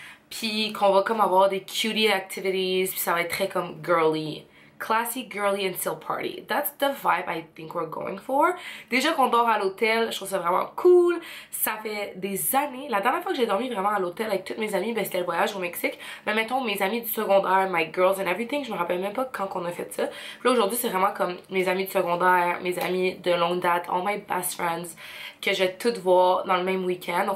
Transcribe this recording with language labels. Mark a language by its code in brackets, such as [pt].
[fr] Puis qu'on va comme avoir des [en] cutie activities. [fr] Puis ça va être très comme girly. [en] Classy, girly and still party. That's the vibe I think we're going for. [fr] Déjà qu'on dort à l'hôtel, je trouve ça vraiment cool. Ça fait des années. La dernière fois que j'ai dormi vraiment à l'hôtel avec toutes mes amies, ben c'était le voyage au Mexique. Mais mettons mes amis du secondaire, [en] my girls and everything, [fr] je me rappelle même pas quand qu'on a fait ça. Puis là aujourd'hui c'est vraiment comme mes amis du secondaire, mes amis de longue date, [en] all my best friends [fr] que je vais toutes voir dans le même week-end.